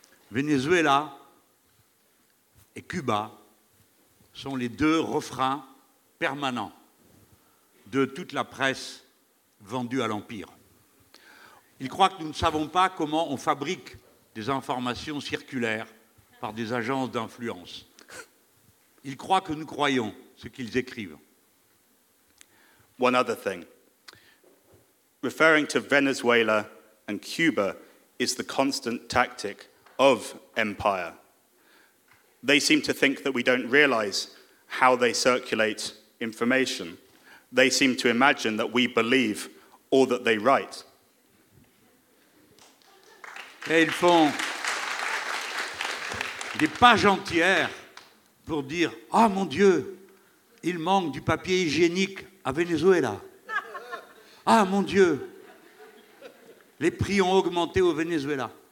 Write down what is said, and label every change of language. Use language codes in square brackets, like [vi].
[fr] Venezuela et Cuba sont les deux refrains permanents de toute la presse vendue à l'Empire. Ils croient que nous ne savons pas comment on fabrique des informations circulaires par des agences d'influence. Ils croient que nous croyons ce qu'ils écrivent. [en] One other thing. Referring to Venezuela and Cuba is the constant tactic of empire. They seem to think that we don't realize how they circulate information. They seem to imagine that we believe all that they write. [fr] Et ils font des pages entières pour dire, oh mon Dieu, il manque du papier hygiénique à Venezuela. Ah mon Dieu, les prix ont augmenté au Venezuela.